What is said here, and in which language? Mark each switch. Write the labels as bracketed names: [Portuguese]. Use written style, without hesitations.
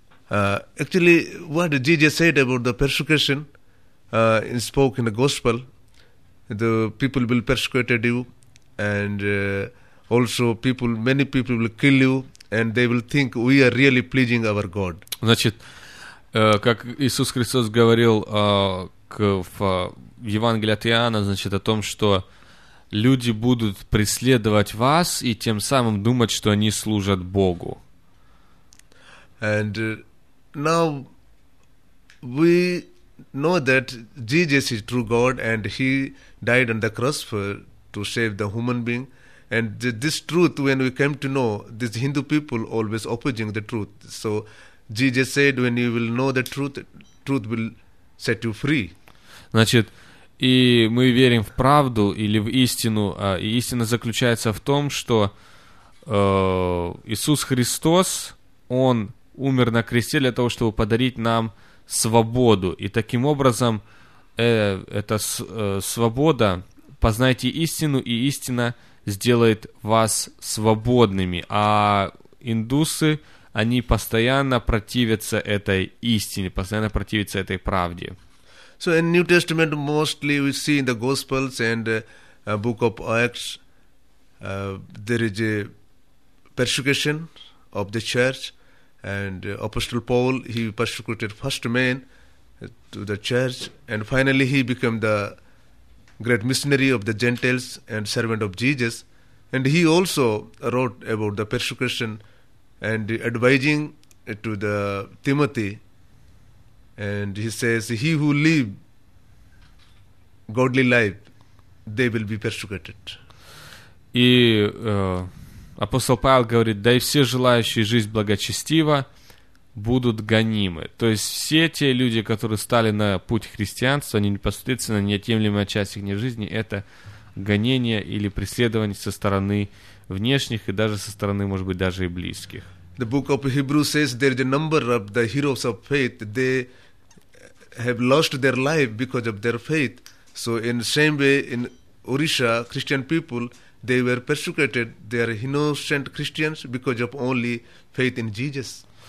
[English] Actually, what Jesus said about the persecution is spoke in the gospel. The people will persecute you, and also people, many people will kill you, and they will think we are really pleasing our God. [Russian] Значит, как Иисус Христос говорил в Евангелии от Иоанна, значит, о том, что люди будут преследовать вас и тем самым думать, что они служат Богу. [English] And now we know that Jesus is true God, and he died on the cross to save the human being. And this truth, when we came to know, these Hindu people always opposing the truth. So Jesus said, when you will know the truth, truth will set you free. [Russian] Значит, и мы верим в правду или в истину, и истина заключается в том, что Иисус Христос, Он умер на кресте для того, чтобы подарить нам свободу. И таким образом, эта свобода, познайте истину, и истина сделает вас свободными. А индусы, они постоянно противятся этой истине, постоянно противятся этой правде. [English] So in New Testament, mostly we see in the Gospels and Book of Acts, there is a persecution of the church, and Apostle Paul, he persecuted first man to the church, and finally he became the great missionary of the Gentiles and servant of Jesus. And he also wrote about the persecution and advising to the Timothy, and he says, he who live godly life, they will be persecuted. [Russian] И апостол Павел говорит, да и все желающие жизнь благочестива будут гонимы. То есть все те люди, которые стали на путь христианства, они непосредственно неотъемлемая часть их жизни, это гонение или преследование со стороны внешних и даже со стороны, может быть, даже и близких. [English] The book of Hebrews says there is a number of the heroes of faith. They have lost their life because of their faith. So in the same way, in Orissa, Christian people, they were persecuted. They are innocent Christians because of only faith in Jesus.